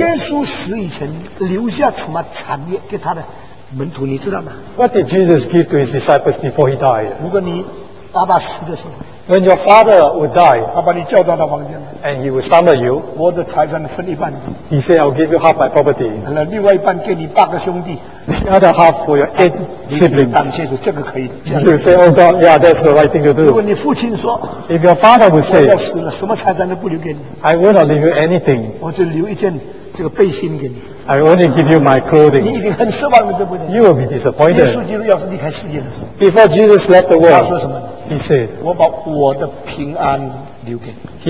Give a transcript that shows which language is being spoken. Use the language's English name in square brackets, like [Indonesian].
[Chinese] 耶稣死以前留下什么产业给他的门徒, 你知道吗? [English] What did Jesus give to his disciples before he died? [Chinese] 如果你爸爸死的时候, [English] when your father would die, [Chinese] 爸爸你叫到他房间, [English] and he would summon you, [Chinese] 我的财产分一半, [English] he said, I'll give you half my property. [Chinese] 另外一半给你八个兄弟, [English] the other half for your eight siblings. [Chinese] 你感谢主,这个可以, [English] you say, oh God, yeah, that's the right thing to do. [Chinese] 如果你父亲说, [English] if your father would say, [Chinese] 我要死了, 什么财产都不留给你, [English] I will not leave you anything. [Chinese] 我就留一件这个背心给你, [English] I only give you my clothing. [Chinese] 你已经很失望了,对不对? [English] You will be disappointed. [Chinese] 耶稣基督要是离开世界的时候, [English] before Jesus left the world, [Chinese] 他说什么? [English] He said, [Chinese] 我把我的平安留给你,